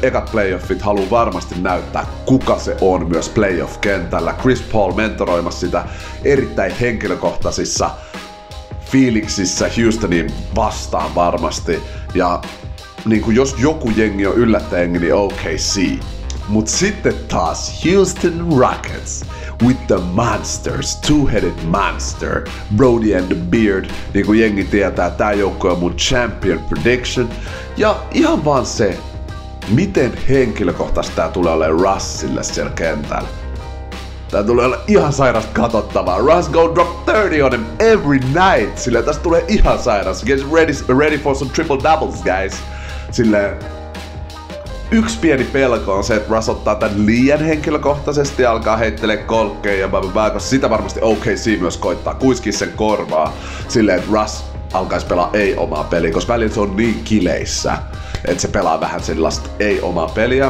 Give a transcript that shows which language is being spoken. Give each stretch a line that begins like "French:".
Finnish: Ekat playoffit haluu varmasti näyttää, kuka se on myös playoff-kentällä. Chris Paul mentoroimassa sitä erittäin henkilökohtaisissa fiiliksissä Houstoniin vastaan varmasti. Ja niin kuin jos joku jengi on yllättäjengi, niin OKC. Mut sitten taas
English: Houston Rockets with the monsters, two-headed monster, Brody and the Beard.
Finnish: Niin kuin jengi tietää, tää joukko on mun champion prediction. Ja ihan vaan se, miten henkilökohtaisesti tää tulee olemaan Russille siellä kentällä. Tää tulee olla ihan sairas katsottavaa.
English: Russ go drop 30 on him every night.
Finnish: Sillä tästä tulee ihan sairas.
English: Get ready for some triple doubles, guys.
Finnish: Sillä yksi pieni pelko on se, että Russ ottaa tän liian henkilökohtaisesti ja alkaa heittelee kolkkeen. Ja mä sitä varmasti OKC myös koittaa kuiski sen korvaa. Sillä että Russ alkaisi pelaa ei omaa peliä, koska välillä se on niin kileissä, että se pelaa vähän sellaista ei omaa peliä.